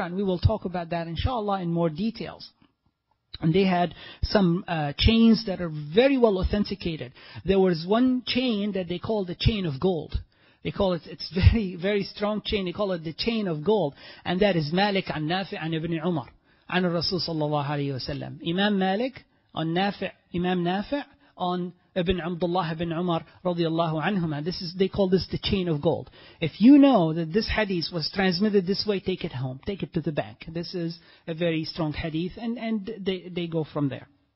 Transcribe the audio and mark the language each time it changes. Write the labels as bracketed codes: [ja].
[en] And we will talk about that inshallah in more details. And they had some chains that are very well authenticated. There was one chain that they called the chain of gold. They call it, it's very, very strong chain. They call it the chain of gold. And that is Malik an Nafi' an Ibn Umar. [ar] عن الرسول صلى الله عليه وسلم إمام مالك عن نافع إمام نافع عن ابن عبد الله بن عمر رضي الله عنهما. [en] This is, they call this the chain of gold. If you know that this hadith was transmitted this way, take it home, take it to the bank. This is a very strong hadith, and they go from there.